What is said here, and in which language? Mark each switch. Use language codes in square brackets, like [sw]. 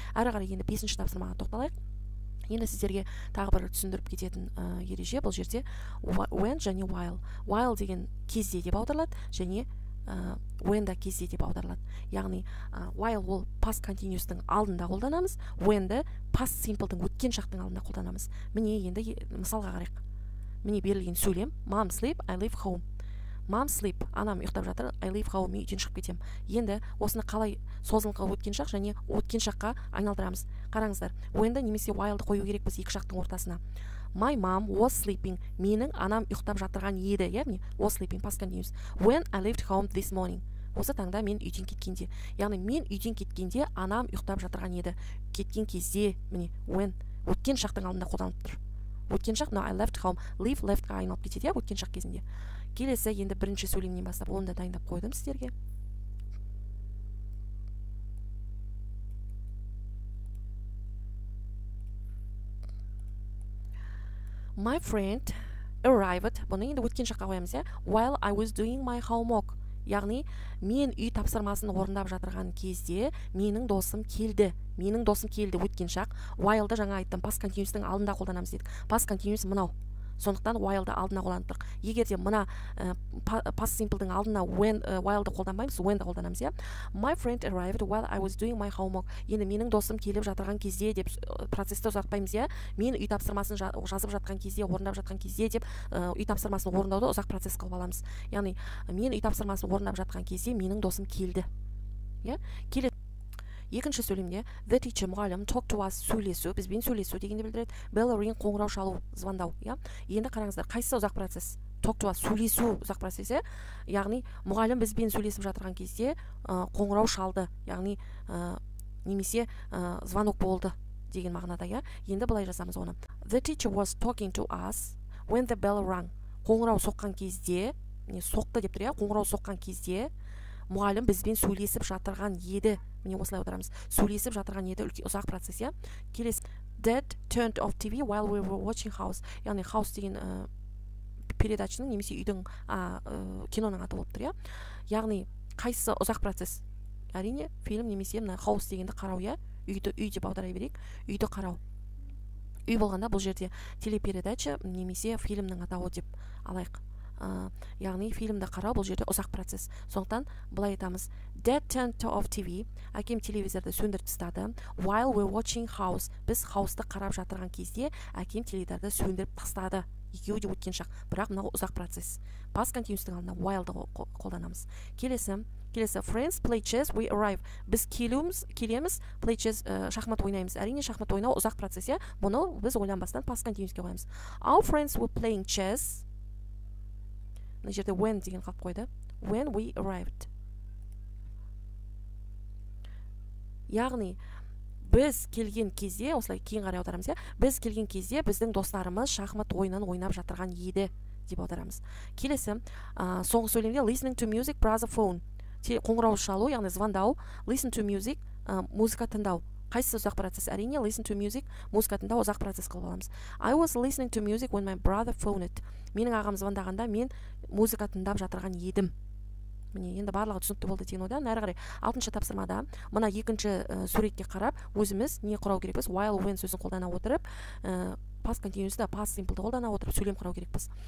[kk] Әрі қарай енді 5-ші тапсырмаға тоқталайық. Енді сіздерге тағы бір түсіндіріп кететін ереже бұл жерде when және while. While деген кезде деп аударылады, және when да кезде деп аударылады. Яғни while ол past continuous-тың алдында қолданамыз, when-ді past simple-тың өткен шақтың алдында қолданамыз. Міне енді мысалға қарайық. Міне берілген сөйлем: [en] mom sleep, I leave home. Mom sleep, [kk] анам ұйықтап жатыр, [en] I leave home, [kk] мен үйден шығып кетемін. Енді осыны қалай созылыңқы өткен шақ және өткен шаққа айналдырамыз. Қараңыздар, when-ді немесе while-ды қою керек біз екі шақтың ортасына. [en] My mom was sleeping. [kk] Менің анам ұйықтап жатырған еді, иә, міне, was sleeping past continuous. [en] When I left home this morning. [kk] Осы таңда мен үйден кеткенде, яғни мен үйден кеткенде анам ұйықтап жатырған еді. Кеткен кезде, міне, when өткен шақтың алдында қолданылып тұр. Өткен шақ, no, [en] I left home, [kk] leave left-қа айналып кетеді, иә, өткен шақ кезінде. Келесі, енді бірінші сөйлемнен бастап, оны да дайындап қойдым сіздерге. [en] My friend arrived, [kk] бұны енді өткен шаққа қоямыз, иә, [en] while I was doing my homework. [kk] Яғни, мен үй тапсырмасын орындап жатырған кезде, менің досым келді. Менің досым келді өткен шақ. While-ды жаңа айттым, past continuous-тың алдында қолданамыз дедік. [en] Past continuous мынау. [kk] Сондықтан while-ды алдына қолдандық. Егер де мына past simple-дің алдына when while-ды қолданбаймыз, when-ді қолданамыз, иә. [en] My friend arrived while I was doing my homework. [kk] Енді менің досым келіп жатырған кезде деп процесті ұзартпаймыз, иә. Мен үй тапсырмасын жазып жатқан кезде, орындап жатқан кезде деп үй тапсырмасын орындауды ұзақ процесс қылып аламыз. Яғни, мен үй тапсырмасын орындап жатқан кезде менің досым келді. Иә? Келеді. Екінші сөйлемде the teacher мұғалім [en] talk to us [kk] сөйлесу бізбен сөйлесу дегенді білдіреді. [en] Bell ring [kk] қоңырау шалу звондау, иә. Енді қараңыздар, қайсысы ұзақ процесс? [en] Talk to us [kk] сөйлесу ұзақ процесс, иә. Яғни мұғалім бізбен сөйлесіп жатырған кезде қоңырау шалды, яғни немесе звонок болды деген мағынада, иә. Енді былай жасамыз оны. [en] The teacher was talking to us when the bell rang. [kk] Қоңырау соққан кезде, не соқты деп тұр, иә, қоңырау соққан кезде мұғалім бізбен сөйлесіп жатырған еді. Міне осылай отырамыз. Сөйлесіп жатырған еді үлкен ұзақ процесс, иә. Келесі. [en] Dad turned off TV while we were watching House. [kk] Яғни House деген передачаның немесе үйдің киноның аты болып тұр, иә. Яғни қайсысы ұзақ процесс? Әрине, фильм немесе мына House дегенді қарау, иә. Үйді үй деп аудара берейік. Үйді қарау. Үй болғанда бұл жерде телепередача немесе фильмнің атауы деп алайық. Яғни фильмді қарау бұл жерде ұзақ процесс. Сондықтан былай айтамыз. [en] Dad turned off TV. [kk] Әкем телевизорды сөндіріп тастады. [en] While we're watching House. [kk] Біз House-ты қарап жатырған кезде әкем теледидарды сөндіріп тастады. Екеуі де өткен шақ. Бірақ мынау ұзақ процесс. Past continuous-тың алдында while-ды қолданамыз. Келесі. [en] Friends play chess. We arrive. [kk] Біз келеміз. [en] Play chess. [kk] Шахмат ойнаймыз. Әрине, шахмат ойнау ұзақ процесс, иә. Бұны біз ойланбастан past continuous-ке қоямыз. [en] Our friends were playing chess. [kk] Мына жерде when деген қалып қойды. [en] When we arrived. [kk] Яғни, біз келген кезде, осылай кейін қарай аударамыз, иә. Біз келген кезде біздің достарымыз шахмат ойынын ойнап жатырған еді деп аударамыз. Келесі, соңғы сөйлемде [en] listening to music from the phone. [kk] Қоңырау шалу, яғни звондау. [en] Listen to music, [kk] музыка тыңдау. қайсысы ұзақ процесс? Әрине, [en] listen to music, [kk] музыкатында ұзақ процесс қылып аламыз. [en] I was listening to music when my brother phoned it. [kk] Менің ағам звондағанда мен музыка тыңдап жатырған едім. Міне, енді барлығы түсінікті болды деген ойдан. Әрі қарай, алтыншы тапсырмада, мына екінші суретке қарап, өзіміз не құрау керекпіз? While, when сөзін қолдана отырып, past continuous-ті, past simple-ті қолдана отырып, сөйлем құрау керекпіз.